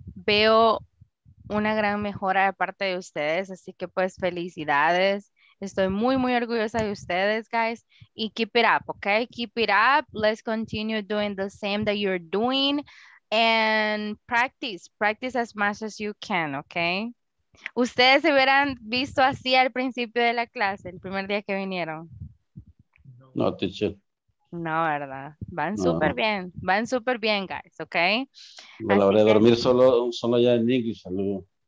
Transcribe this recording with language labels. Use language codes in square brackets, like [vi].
[es] Veo una gran mejora de parte de ustedes, así que pues felicidades. Estoy muy, muy orgullosa de ustedes, guys. Y [en] keep it up, okay? Keep it up. Let's continue doing the same that you're doing. And practice. Practice as much as you can, okay? [es] ¿Ustedes se hubieran visto así al principio de la clase, el primer día que vinieron? [en] No, teacher. [es] No, ¿verdad? Van súper bien. Van súper bien, guys, okay? Me la voy a dormir solo ya en inglés, saludo.